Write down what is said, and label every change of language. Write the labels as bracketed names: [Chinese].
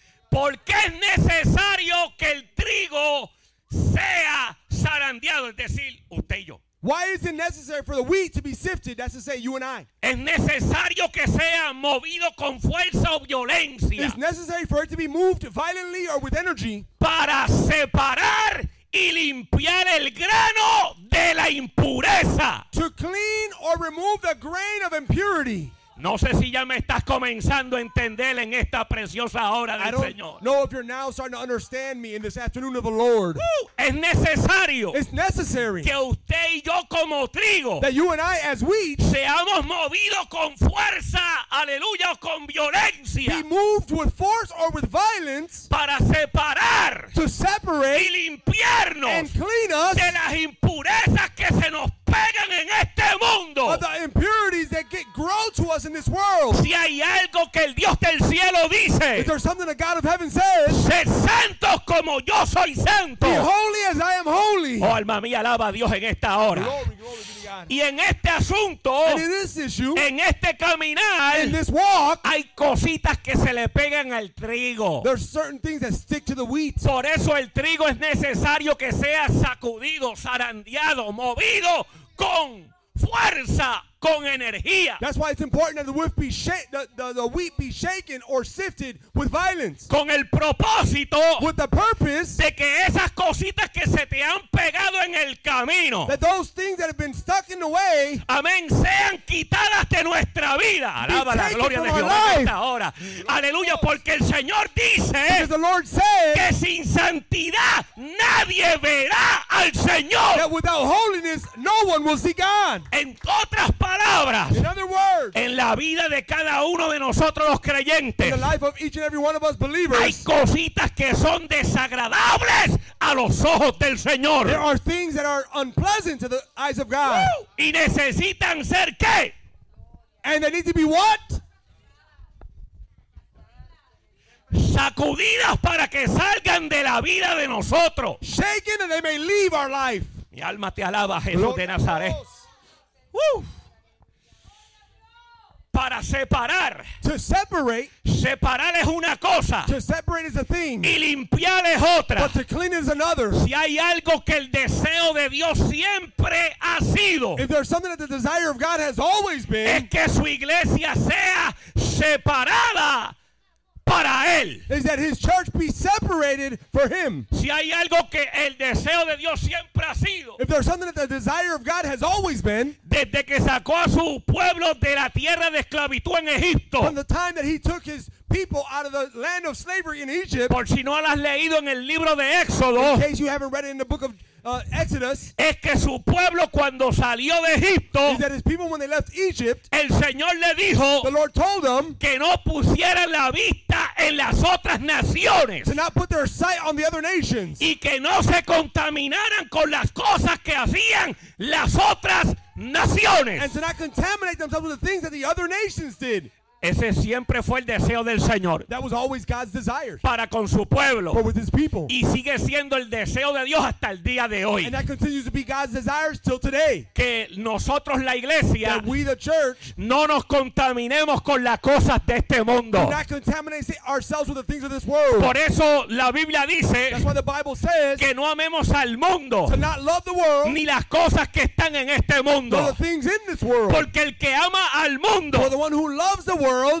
[Spanish] ¿Por qué es necesario que el trigo sea zarandeado? Es decir, usted y yo. [English] Why is it necessary for the wheat to be sifted? That's to say, you and I. [Spanish] Es necesario que sea movido con fuerza o violencia. [English] It's necessary for it to be moved violently or with energy. [Spanish] Para separar y limpiar el grano de la impureza. [English] To clean or remove the grain of impurity. [Spanish] No sé si ya me estás comenzando a entender en esta preciosa hora del Señor. [English] I don't know if you're now starting to understand me in this afternoon of the Lord. [Spanish] Es necesario. [English] It's necessary. [Spanish] Que usted y yo como trigo, [English] that you and I as wheat, [Spanish] seamos movidos con fuerza, aleluya, o con violencia, [English] be moved with force or with violence, [Spanish] para separar, [English] to separate, [Spanish] y limpiarnos, [English] and clean us, [Spanish] de las impurezas que se nos pegan en este mundo, [English] of the impurities that grow to us does in this world. [Spanish] Si hay algo que el Dios del cielo dice, [English] if there's something the God of heaven says, [Spanish] ser santos como yo soy santo. [English] Be holy as I am holy. [Spanish] Oh, alma mía, alaba a Dios en esta hora. Y en este asunto, [English] in this issue, [Spanish] en este caminar, [English] in this walk, [Spanish] hay cositas que se le pegan al trigo. [English] There's certain things that stick to the wheat. [Spanish] Por eso el trigo es necesario que sea sacudido, zarandeado, movido con fuerza, con energía. [English] That's why it's important that the wheat be shaken or sifted with violence. [Spanish] Con el propósito, [English] with the purpose, [Spanish] de que esas cositas que se te han pegado en el camino, [English] that those things that have been stuck in the way, [Spanish] amén, sean quitadas de nuestra vida. Alaba la gloria de Jehová esta hora. Aleluya, porque el Señor dice, [English] because the Lord says, [Spanish] que sin santidad nadie verá al Señor. [English] That without holiness no one will see God. [Spanish] En otras palabras, [English] in other words, [Spanish] en la vida de cada uno de nosotros los creyentes, [English] in the life of each and every one of us believers, [Spanish] hay cositas que son desagradables a los ojos del Señor. [English] There are things that are unpleasant to the eyes of God. [Spanish] Y necesitan ser ¿qué? [English] And they need to be what? [Spanish] Sacudidas para que salgan de la vida de nosotros. [English] Shaken and they may leave our life. [Spanish] Mi alma te alaba, Jesús de Nazaret. Para separar. [English] To separate. [Spanish] Separar es una cosa. [English] To separate is a thing. [Spanish] Y limpiar es otra. [English] But to clean is another. [Spanish] Si hay algo que el deseo de Dios siempre ha sido, [English] if there's something that the desire of God has always been, [Spanish] es que su iglesia sea separada para él. [English] Is that his church be separated for him. [Spanish] Si hay algo que el deseo de Dios siempre ha sido, [English] if there's something that the desire of God has always been, [Spanish] desde que sacó a su pueblo de la tierra de esclavitud en Egipto, [English] from the time that he took his people out of the land of slavery in Egypt, [Spanish] por si no lo has leído en el libro de Éxodo, [English] in case you haven't read it in the book of Exodus, [Spanish] es que su pueblo cuando salió de Egipto, [English] is that his people when they left Egypt, [Spanish] el Señor le dijo, [English] the Lord told them, [Spanish] que no pusieran la vista en las otras naciones, [English] to not put their sight on the other nations, [Spanish] y que no se contaminaran con las cosas que hacían las otras naciones, [English] and to not contaminate themselves with the things that the other nations did. [Spanish] Ese siempre fue el deseo del Señor. [English] That was always God's desire. [Spanish] Para con su pueblo. [English] But with his people. [Spanish] Y sigue siendo el deseo de Dios hasta el día de hoy. [English] And that continues to be God's desire till today. [Spanish] Que nosotros la iglesia, [English] that we the church, [Spanish] no nos contaminemos con las cosas de este mundo. [English] Do not contaminate ourselves with the things of this world. [Spanish] Por eso la Biblia dice, [English] that's why the Bible says, [Spanish] que no amemos al mundo, [English] to not love the world, [Spanish] ni las cosas que están en este mundo. [English] Nor the things in this world. [Spanish] Porque el que ama al mundo, [English] for the one who loves the world.